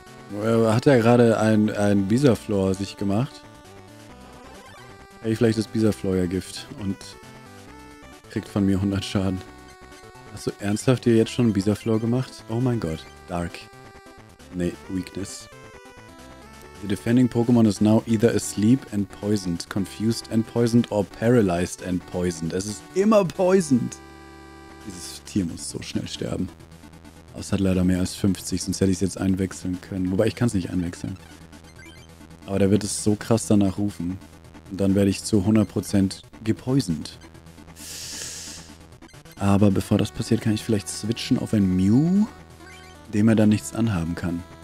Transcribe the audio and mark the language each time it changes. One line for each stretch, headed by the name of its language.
German: Hat er gerade ein Bisaflor sich gemacht? Hey, vielleicht ist Bisaflor ja Gift und kriegt von mir 100 Schaden. Hast du ernsthaft dir jetzt schon ein Bisaflor gemacht? Oh mein Gott. Dark. Nee, Weakness.
English: The defending Pokémon is now either asleep and poisoned, confused and poisoned or paralyzed and poisoned.
German: Es ist immer poisoned. Dieses Tier muss so schnell sterben. Es hat leider mehr als 50, sonst hätte ich es jetzt einwechseln können. Wobei, ich kann es nicht einwechseln. Aber da wird es so krass danach rufen. Und dann werde ich zu 100% gepoisoned. Aber bevor das passiert, kann ich vielleicht switchen auf ein Mew, dem er dann nichts anhaben kann.